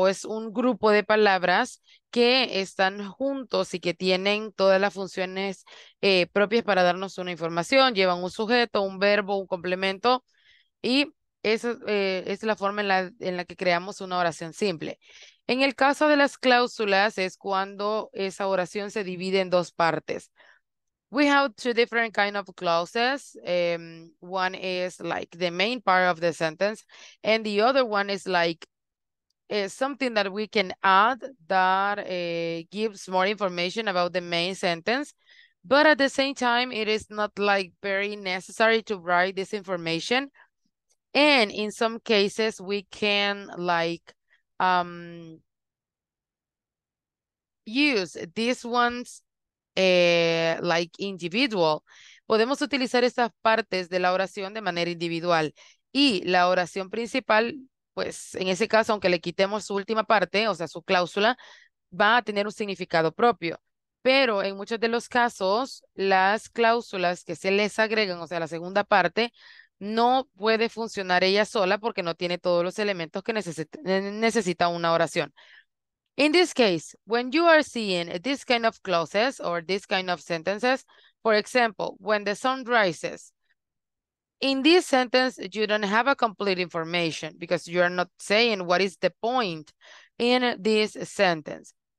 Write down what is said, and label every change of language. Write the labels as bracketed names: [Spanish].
[Spanish] O es un grupo de palabras que están juntos y que tienen todas las funciones propias para darnos una información. Llevan un sujeto, un verbo, un complemento y esa es la forma en la que creamos una oración simple. En el caso de las cláusulas es cuando esa oración se divide en dos partes. [English] We have two different kind of clauses. One is like the main part of the sentence, and the other one is like something that we can add that gives more information about the main sentence. But at the same time, it is not like very necessary to write this information. And in some cases, we can like use these ones like individual. [Spanish] Podemos utilizar estas partes de la oración de manera individual. Y la oración principal, pues en ese caso, aunque le quitemos su última parte, o sea, su cláusula, va a tener un significado propio. Pero en muchos de los casos, las cláusulas que se les agregan, o sea, la segunda parte, no puede funcionar ella sola porque no tiene todos los elementos que necesita una oración. [English] In this case, when you are seeing this kind of clauses or this kind of sentences, for example, when the sun rises, in this sentence, you don't have a complete information because you are not saying what is the point in this sentence.